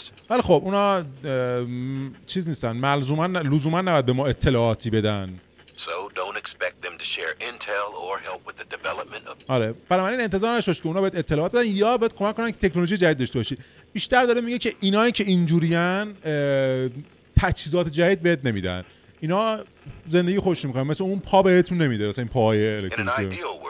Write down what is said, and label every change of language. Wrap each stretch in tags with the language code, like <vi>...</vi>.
<fa>ولی خب اونا چیز نیستن، لزومن نباید به ما اطلاعاتی بدن.</fa> <en>So don't expect them to share intel or help with the development of.</en> <fa>آره، بنابراین انتظار نداشت که اونا بهت اطلاعات بدن یا بهت کمک کنن که تکنولوژی جدید داشته باشی. بیشتر داره میگه که اینایی که اینجوریان تجهیزات جدید بهت نمیدن. اینا زندگی خوش میکنن، مثلا اون پا بهتون نمیده، مثلا این پای الکترونیکی.</fa>